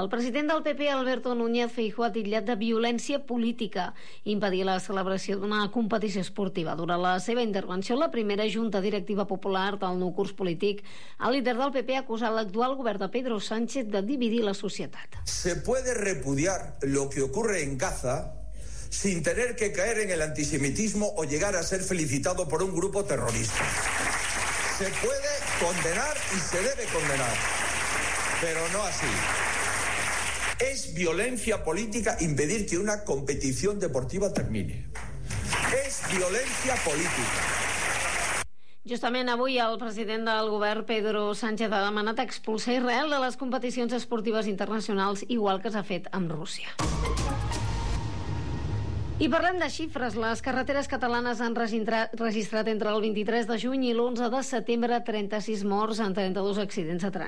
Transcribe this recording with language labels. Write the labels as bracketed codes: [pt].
[ca] El president del PP, Alberto Núñez Feijóo, ha titllat de violència política impedir la celebració d'una competició esportiva. Durant la seva intervenció en la primera junta directiva popular del nou curs polític, el líder del PP ha acusat l'actual govern de Pedro Sánchez de dividir la societat. [es] Se puede repudiar lo que ocurre en Gaza sin tener que caer en el antisemitismo o llegar a ser felicitado por un grupo terrorista. Se puede condenar y se debe condenar, pero no así. Es violencia política impedir que una competición deportiva termine. Es violencia política. [ca] Justament avui el president del govern, Pedro Sánchez, ha demanat expulsar Israel de les competicions esportives internacionals, igual que s'ha fet amb Rússia. I parlant de xifres, les carreteres catalanes han registrat entre el 23 de juny i l'11 de setembre 36 morts en 32 accidents de trànsit.